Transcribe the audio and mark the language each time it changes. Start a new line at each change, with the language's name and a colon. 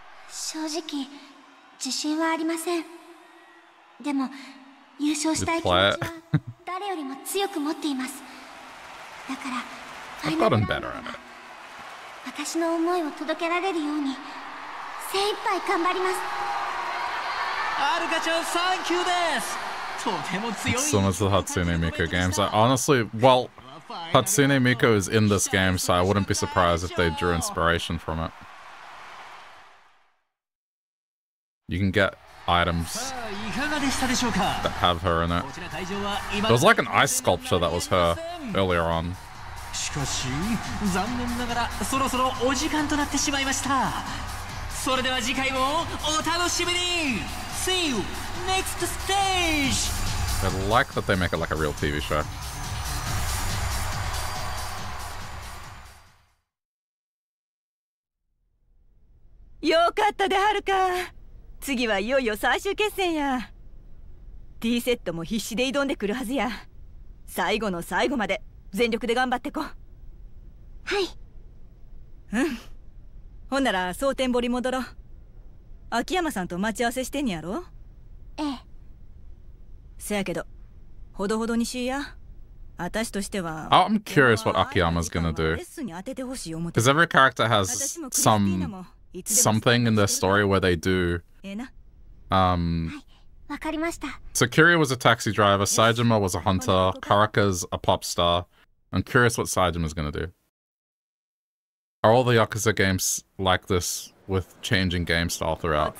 Japanese: 正直、自信はありません。でも、優勝したい気持ちは誰よりも強く持っています。だから、ファイナルラウンドは私の思いを届けられるように精一杯頑張ります。アルカちゃん、サンキューです。とても強い。
English: Some of the Hatsune Miku games, honestly, well, Hatsune Miku is in this game, so I wouldn't be surprised if they drew inspiration from it. You can get items that have her in it. There was like an ice sculpture that was her earlier on.
Japanese: しかし、残念ながらそろそろお時間となってしまいました。それでは次回もお楽しみに。
English: See you next stage. I like that they make it like a real TV show.
Japanese: よかったで、はるか。次はいよいよ最終決戦や。D セットも必死で挑んでくるはずや。最後の最後まで全力で頑張ってこ。はい。うん、ほんなら蒼天堀戻ろ。秋山さんと待ち合わせしてんやろ？ええ。せやけど、ほどほどにしや。私としては、
English: I'm curious what Akiyama's gonna do. Because every character has something in their story where they do. So Kiryu was a taxi driver, Saejima was a hunter, Karaka's a pop star. I'm curious what Saejima's gonna do. Are all the Yakuza games like this with changing game style throughout?